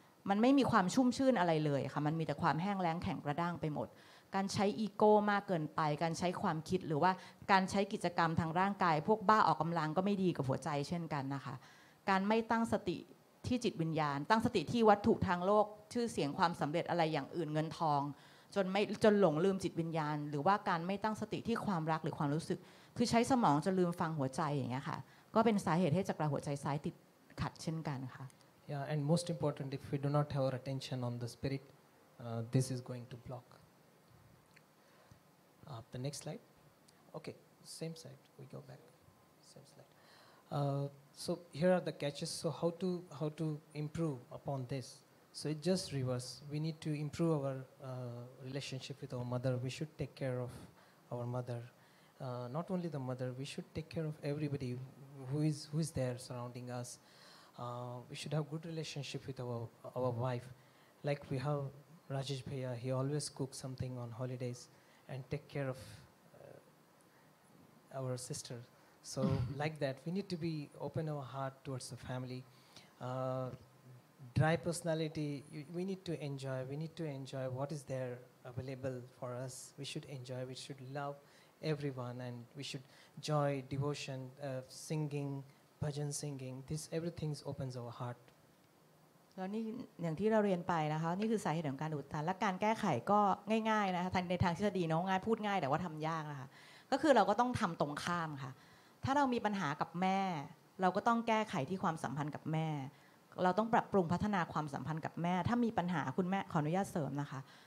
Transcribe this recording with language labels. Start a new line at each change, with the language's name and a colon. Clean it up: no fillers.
Thai: มันไม่มีความชุ่มชื่นอะไรเลยค่ะมันมีแต่ความแห้งแล้งแข็งกระด้างไปหมดการใช้อีโก้มากเกินไปการใช้ความคิดหรือว่าการใช้กิจกรรมทางร่างกายพวกบ้าออกกำลังก็ไม่ดีกับหัวใจเช่นกันนะคะการไม่ตั้งสติที่จิตวิญญาณตั้งสติที่วัตถุทางโลกชื่อเสียงความสำเร็จอะไรอย่างอื่นเงินทองจนหลงลืมจิตวิญญาณหรือว่าการไม่ตั้งสติที่ความรักหรือความรู้สึกคือใช้สมองจนลืมฟังหัวใจอย่างเงี้ยค่ะก็เป็นสาเหตุให้จักระหัวใจซ้ายติดขัดเช่นกันค่ะ
English: Yeah and most important if we do not have our attention on the spirit this is going to blockthe next slide. Okay, same slide. We go back. Same slide. So here are the catches. So how to improve upon this? So it just reverse. We need to improve our relationship with our mother. We should take care of our mother. Not only the mother. We should take care of everybody who is there surrounding us. We should have good relationship with our wife. Like we have Rajesh Bhaiya. He always cooks something on holidays. And take care of our sister. So like that, we need to be open our heart towards the family. Dry personality, we need to enjoy. We need to enjoy what is there available for us. We should enjoy. We should love everyone. And we should joy, devotion, singing, bhajan singing. This, everything opens our heart.
Thai: แล้วนี่อย่างที่เราเรียนไปนะคะนี่คือสาเหตุของการอุดตันและการแก้ไขก็ง่ายๆนะคะในทางทฤษฎีเนาะง่ายพูดง่ายแต่ว่าทำยากนะคะก็คือเราก็ต้องทำตรงข้ามค่ะถ้าเรามีปัญหากับแม่เราก็ต้องแก้ไขที่ความสัมพันธ์กับแม่เราต้องปรับปรุงพัฒนาความสัมพันธ์กับแม่ถ้ามีปัญหาคุณแม่ขออนุญาตเสริมนะคะ